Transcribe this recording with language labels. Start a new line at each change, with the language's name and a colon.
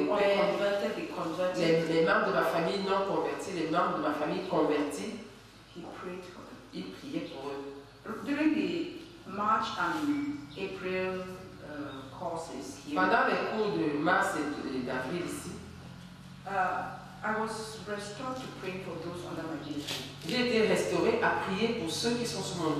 French: membres de ma famille non convertis, les membres de ma famille convertis. Il priait pour eux.
English: During the March and April courses here,
French: pendant les cours de mars et d'avril ici,
English: I was restored to pray for those under my leadership.
French: J'ai été restauré à prier pour ceux qui sont sous mon